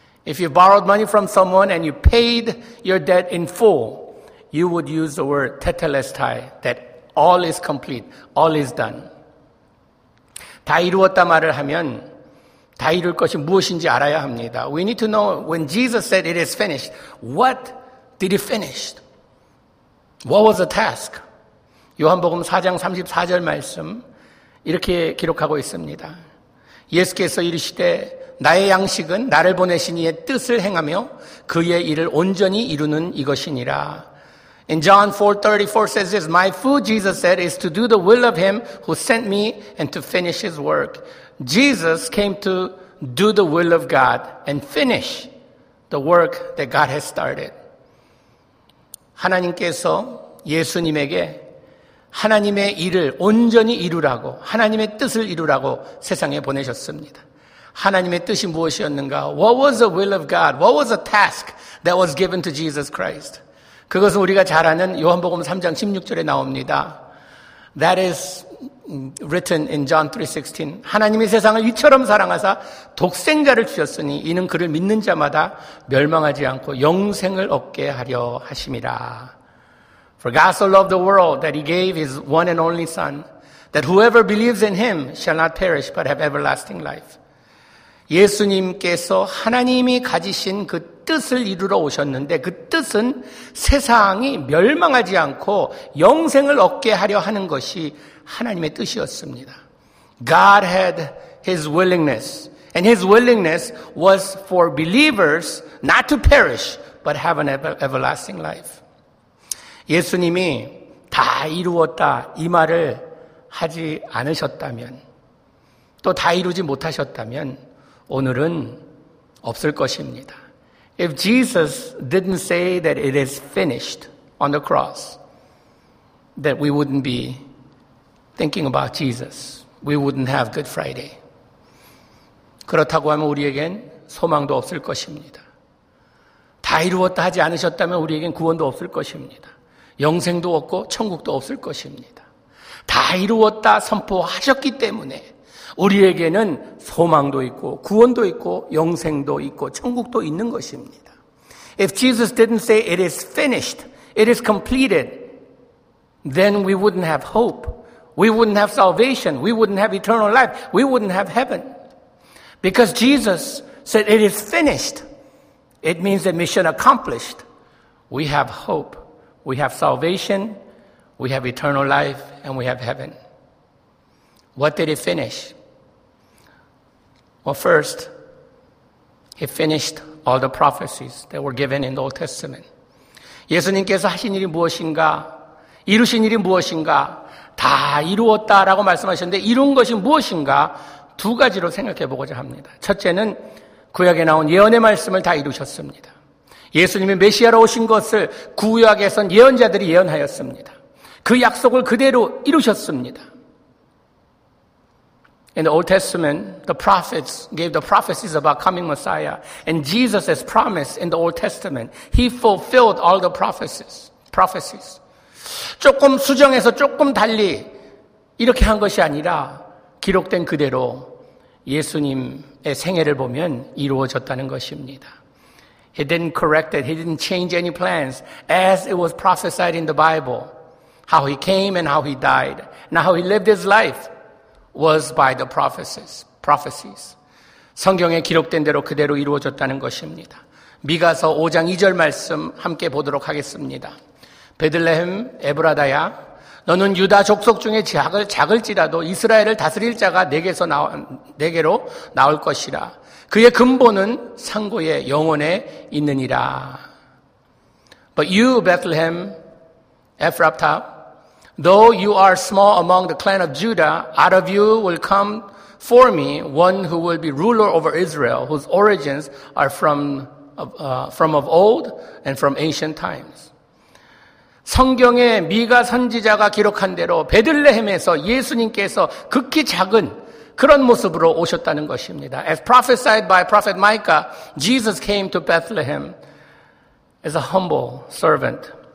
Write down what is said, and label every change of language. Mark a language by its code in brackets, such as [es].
[en] If you borrowed money from someone and you paid your debt in full, you would use the word tetelestai, that all is complete, all is done. [ko] 다 이루었다 말을 하면 다 이룰 것이 무엇인지 알아야 합니다. [en] We need to know when Jesus said it is finished. What did he finish? What was the task? [ko] 요한복음 4장 34절 말씀 이렇게 기록하고 있습니다. 예수께서 이르시되 나의 양식은 나를 보내신 이의 뜻을 행하며 그의 일을 온전히 이루는 이것이니라. [en] In John 4:34 says this, My food, Jesus said, is to do the will of him who sent me and to finish his work. Jesus came to do the will of God and finish the work that God has started. [ko] 하나님께서 예수님에게 하나님의 일을 온전히 이루라고, 하나님의 뜻을 이루라고 세상에 보내셨습니다. 하나님의 뜻이 무엇이었는가? [en] What was the will of God? What was the task that was given to Jesus Christ? [ko] 그것은 우리가 잘 아는 요한복음 3장 16절에 나옵니다. [en] That is written in John 3:16. [ko] 하나님이 세상을 이처럼 사랑하사 독생자를 주셨으니 이는 그를 믿는 자마다 멸망하지 않고 영생을 얻게 하려 하심이라. [en] For God so loved the world that he gave his one and only son that whoever believes in him shall not perish but have everlasting life. [ko] 예수님께서 하나님이 가지신 그 뜻을 이루러 오셨는데 그 뜻은 세상이 멸망하지 않고 영생을 얻게 하려 하는 것이 하나님의 뜻이었습니다. [en] God had his willingness and his willingness was for believers not to perish but have an everlasting life. [ko] 예수님이 다 이루었다 이 말을 하지 않으셨다면 또 다 이루지 못하셨다면 오늘은 없을 것입니다. [en] If Jesus didn't say that it is finished on the cross, that we wouldn't be thinking about Jesus. We wouldn't have Good Friday. [ko] 그렇다고 하면 우리에겐 소망도 없을 것입니다. 다 이루었다 하지 않으셨다면 우리에겐 구원도 없을 것입니다. 영생도 없고 천국도 없을 것입니다. 다 이루었다 선포하셨기 때문에 우리에게는 소망도 있고 구원도 있고 영생도 있고 천국도 있는 것입니다. [en] If Jesus didn't say it is finished, it is completed, then we wouldn't have hope. We wouldn't have salvation. We wouldn't have eternal life. We wouldn't have heaven. Because Jesus said it is finished, it means that mission accomplished. We have hope. We have salvation. We have eternal life. And we have heaven. What did he finish? Well, first, he finished all the prophecies that were given in the Old Testament. [ko] 예수님께서 하신 일이 무엇인가, 이루신 일이 무엇인가, 다 이루었다라고 말씀하셨는데 이룬 것이 무엇인가 두 가지로 생각해 보고자 합니다. 첫째는 구약에 나온 예언의 말씀을 다 이루셨습니다. 예수님이 메시아로 오신 것을 구약에선 예언자들이 예언하였습니다. 그 약속을 그대로 이루셨습니다. [en] In the Old Testament, the prophets gave the prophecies about coming Messiah. And Jesus has promised in the Old Testament, He fulfilled all the prophecies. [ko] 조금 수정해서 조금 달리 이렇게 한 것이 아니라 기록된 그대로 예수님의 생애를 보면 이루어졌다는 것입니다. [en] He didn't correct it. He didn't change any plans as it was prophesied in the Bible. How he came and how he died. Now how he lived his life was by the prophecies. [ko] 성경에 기록된 대로 그대로 이루어졌다는 것입니다. 미가서 5장 2절 말씀 함께 보도록 하겠습니다. 베들레헴 에브라다야 너는 유다 족속 중에 작을지라도 이스라엘을 다스릴 자가 내게로 나올 것이라. 그의 근본은 상고의 영원에 있느니라. [en] But you, Bethlehem, Ephrathah, though you are small among the clan of Judah, out of you will come for me one who will be ruler over Israel, whose origins are from of old and from ancient times. [ko] 성경에 미가 선지자가 기록한 대로 베들레헴에서 예수님께서 극히 작은 그런 모습으로 오셨다는 것입니다. [en] As prophesied by prophet Micah, Jesus came to Bethlehem as a humble servant.